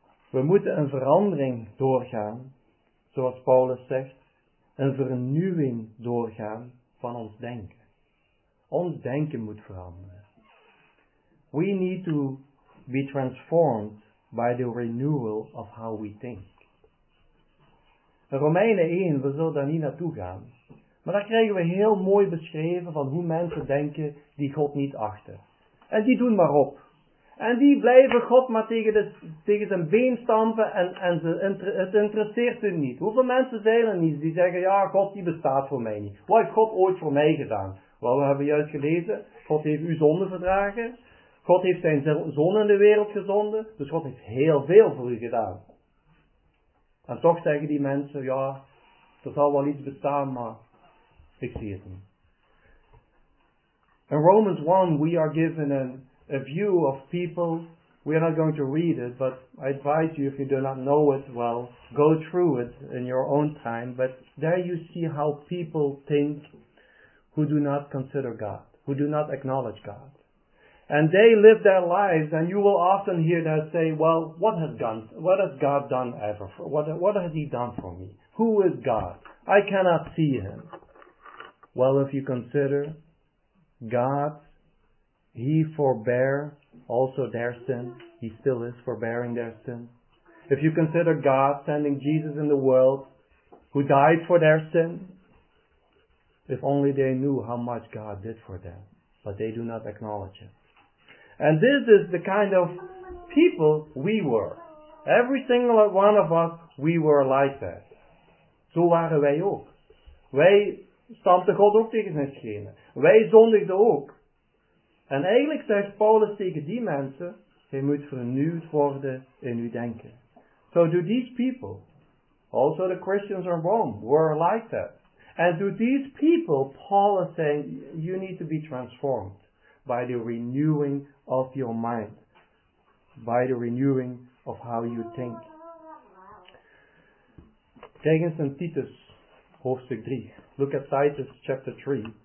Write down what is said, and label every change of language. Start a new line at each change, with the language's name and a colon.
Dutch: We moeten een verandering doorgaan, zoals Paulus zegt, een vernieuwing doorgaan van ons denken. Ons denken moet veranderen.
English: We need to be transformed by the renewal of how we think.
Dutch: Romeinen 1, we zullen daar niet naartoe gaan. Maar daar krijgen we heel mooi beschreven van hoe mensen denken die God niet achten. En die doen maar op. En die blijven God maar tegen zijn been stampen en het interesseert hun niet. Hoeveel mensen zijn er niet die zeggen, ja, God die bestaat voor mij niet. Wat heeft God ooit voor mij gedaan? Wel, we hebben juist gelezen, God heeft uw zonde verdragen. God heeft zijn zoon in de wereld gezonden. Dus God heeft heel veel voor u gedaan. En toch zeggen die mensen, ja, er zal wel iets bestaan, maar ik zie het niet.
English: In Romans 1, we are given a view of people. We are not going to read it, but I advise you, if you do not know it well, go through it in your own time. But there you see how people think who do not consider God, who do not acknowledge God. And they live their lives, and you will often hear them say, well, what has God done ever? What has he done for me? Who is God? I cannot see him. Well, if you consider God, he forbear also their sin. He still is forbearing their sin. If you consider God sending Jesus in the world, who died for their sin, if only they knew how much God did for them, but they do not acknowledge it. And this is the kind of people we were. Every single one of us, we were like that.
Dutch: Zo waren wij ook. Wij stampten God ook tegen zijn schenen. Wij zondigden ook. En eigenlijk zegt Paulus tegen die mensen, je moet vernieuwd worden in uw denken.
English: So do these people, also the Christians in Rome, were like that. And do these people, Paul is saying, you need to be transformed by the renewing of your mind, by the renewing of how you think.
Dutch: Kijk eens in Titus hoofdstuk 3.
English: Look at Titus chapter 3.